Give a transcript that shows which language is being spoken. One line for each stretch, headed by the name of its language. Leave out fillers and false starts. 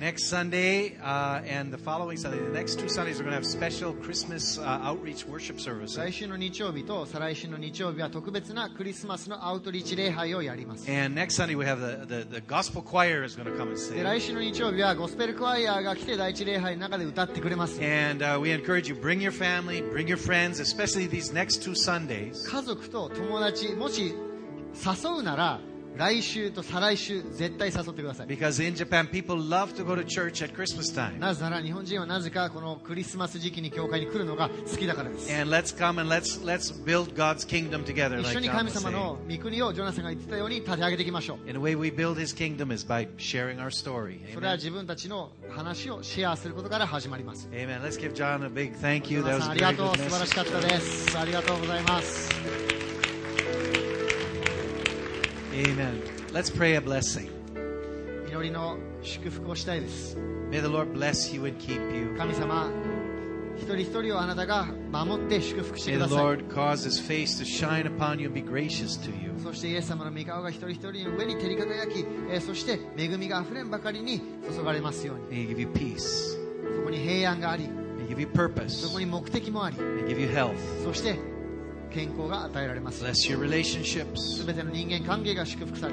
English: Next Sunday, and the following Sunday, the next two Sundays, we're going to have special Christmas, outreach worship services.
Japanese: 来週の日曜日と再来週の日曜日は特別なクリスマスのアウトリーチ礼拝をやります。
English: And next Sunday, we have the gospel choir is going to come and sing.
Japanese: 来週の日曜日はゴスペルクワイアが来て第一礼拝の中で歌ってくれます。
English: And, we encourage you, bring your family, bring your friends, especially these next two Sundays.
Japanese: 家族と友達、もし誘うなら、来週と再来週絶対誘ってください。
English: Because in Japan, people love to go to church at Christmas time.
Japanese: なぜなら日本人はなぜかこのクリスマス時期に教会に来るのが好きだからです。
English: And let's come and let's build God's kingdom together.
Japanese: 一緒に神様の御国をジョナサンが言ってたように立て上げていきましょう。
English: And the way we build His kingdom is by sharing our story.
Japanese: それは自分たちの話をシェアすることから始まります。
English: Amen. Let's give John a big thank you. That was great.
Japanese: ありがとう。素晴らしかったです。ありがとうございます。
English: Amen. Let's pray a blessing.
Japanese: 祈りの祝福をしたいです。
English: May the Lord bless you and keep you.
Japanese: 神様、一人一人をあなたが守って祝福してください。
English: May the Lord cause His face to shine upon you and be gracious to you.
Japanese: そしてイエス様の御顔が一人一人の上に照り輝き、そして恵みがあふれんばかりに注がれますように。
English: May He give you peace.
Japanese: そこに平安があり。
English: May He give you purpose.
Japanese: そこに目的もあり。
English: May He give you health.
Japanese: そして健康が与えられます。
English: Bless your relationships.
Japanese: すべての人間関係が祝福され。